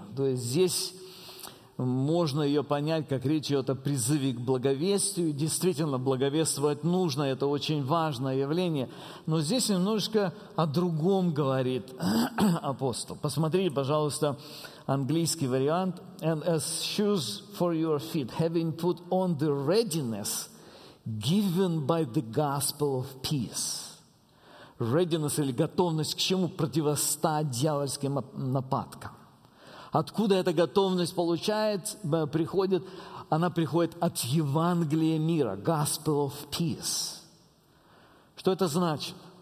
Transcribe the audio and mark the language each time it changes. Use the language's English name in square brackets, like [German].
[Russian] То есть здесь можно ее понять, как речь идет о призыве к благовестию. Действительно, благовествовать нужно, это очень важное явление. Но здесь немножечко о другом говорит апостол. Посмотрите, пожалуйста, английский вариант. [English] «And as shoes for your feet, having put on the readiness given by the gospel of peace». [Russian] Readiness или готовность к чему? Противостать дьявольским нападкам. Откуда эта готовность приходит? Она приходит от Евангелия мира, Gospel of Peace. Что это значит?